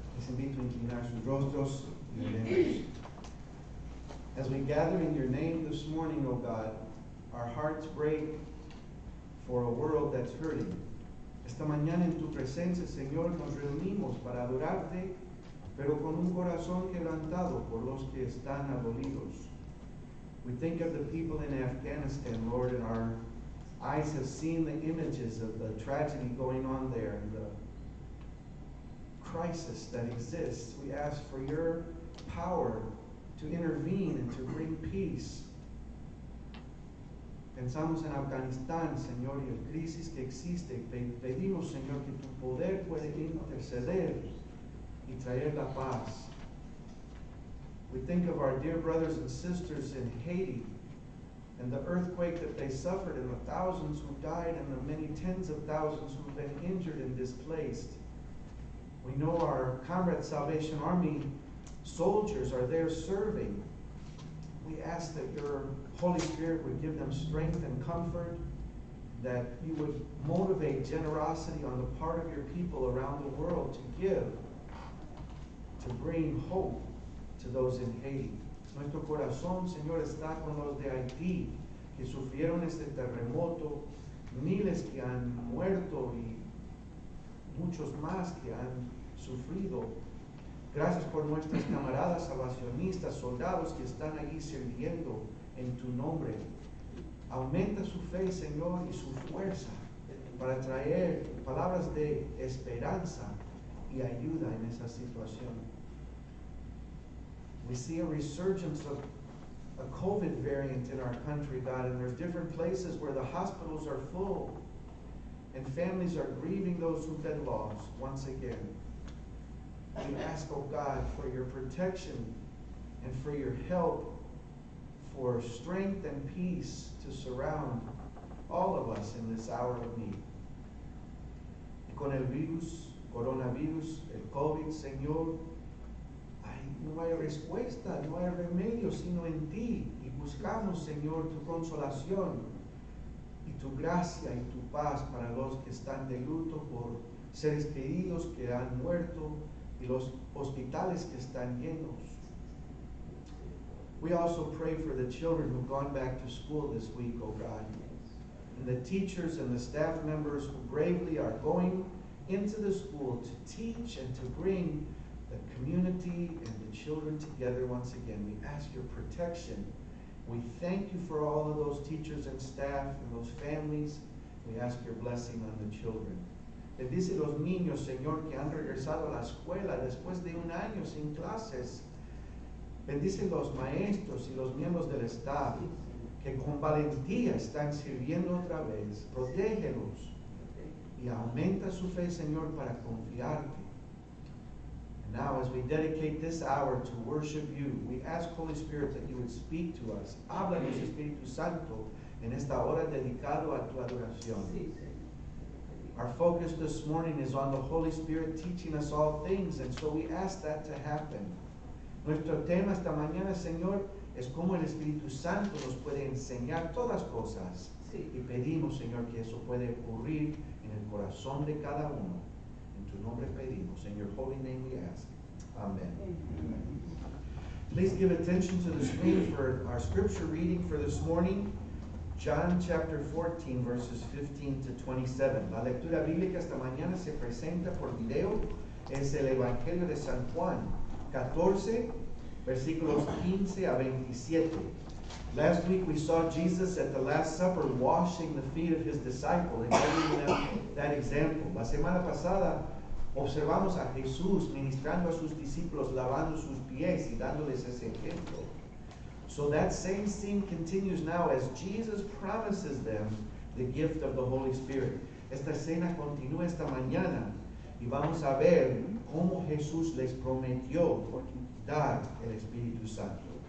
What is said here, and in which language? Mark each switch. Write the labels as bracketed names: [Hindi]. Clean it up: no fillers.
[Spanish] Les invito a inclinar sus rostros y oremos. [English] As we gather in your name this morning, O God, our hearts break for a world that's hurting. [Spanish] Esta mañana en tu presencia, Señor, nos reunimos para adorarte, pero con un corazón quebrantado por los que están abolidos. [English] We think of the people in Afghanistan, Lord, and our eyes have seen the images of the tragedy going on there and the crisis that exists. We ask for your power to intervene and to bring peace. [Spanish] Pensamos en Afganistán, Señor, y la crisis que existe. Pedimos, Señor, que tu poder puede interceder y traer la paz. [English] We think of our dear brothers and sisters in Haiti and the earthquake that they suffered and the thousands who died and the many tens of thousands who have been injured and displaced. We know our Comrade Salvation Army soldiers are there serving. We ask that your Holy Spirit would give them strength and comfort, that you would motivate generosity on the part of your people around the world to give, to bring hope to those in Haiti. [Spanish] Nuestro corazón, Señor, está con los de Haití que sufrieron este terremoto, miles que han muerto y muchos más que han sufrido. Gracias por nuestras camaradas salvacionistas, soldados que están ahí sirviendo en tu nombre. Aumenta su fe, Señor, y su fuerza para traer palabras de esperanza y ayuda en esa situación. [English] We see a resurgence of a COVID variant in our country, God, and there's different places where the hospitals are full and families are grieving those who've been lost once again. We ask, oh God, for your protection and for your help, for strength and peace to surround all of us in this hour of need. [Spanish] Y con el virus, coronavirus, el COVID, Señor, no hay respuesta, no hay remedio sino en ti. Y buscamos, Señor, tu consolación y tu gracia y tu paz para los que están de luto por seres queridos que han muerto, y los hospitales que están llenos. [English] We also pray for the children who've gone back to school this week, oh God, and the teachers and the staff members who bravely are going into the school to teach and to bring the community and the children together once again. We ask your protection. We thank you for all of those teachers and staff and those families. We ask your blessing on the children. [Spanish] Bendice los niños, Señor, que han regresado a la escuela después de un año sin clases. Bendice los maestros y los miembros del staff que con valentía están sirviendo otra vez. Protégelos y aumenta su fe, Señor, para confiarte. [English] And now, as we dedicate this hour to worship you, we ask, Holy Spirit, that you would speak to us. [Spanish] Háblanos, Espíritu Santo, en esta hora dedicado a tu adoración. [English] Our focus this morning is on the Holy Spirit teaching us all things, and so we ask that to happen. [Spanish] Nuestro tema esta mañana, Señor, es cómo el Espíritu Santo nos puede enseñar todas cosas. Sí. Y pedimos, Señor, que eso puede ocurrir en el corazón de cada uno. En tu nombre pedimos. [English] In your holy name we ask. Amen. Please give attention to the screen for our scripture reading for this morning. John chapter 14, verses 15 to 27. [Spanish] La lectura bíblica esta mañana se presenta por video. Es el Evangelio de San Juan 14, versículos 15 a 27. [English] Last week we saw Jesus at the Last Supper washing the feet of his disciples and giving them that example. [Spanish] La semana pasada observamos a Jesús ministrando a sus discípulos, lavando sus pies y dándoles ese ejemplo. [English] So that same scene continues now as Jesus promises them the gift of the Holy Spirit. [Spanish] Esta escena continúa esta mañana y vamos a ver cómo Jesús les prometió dar el Espíritu Santo.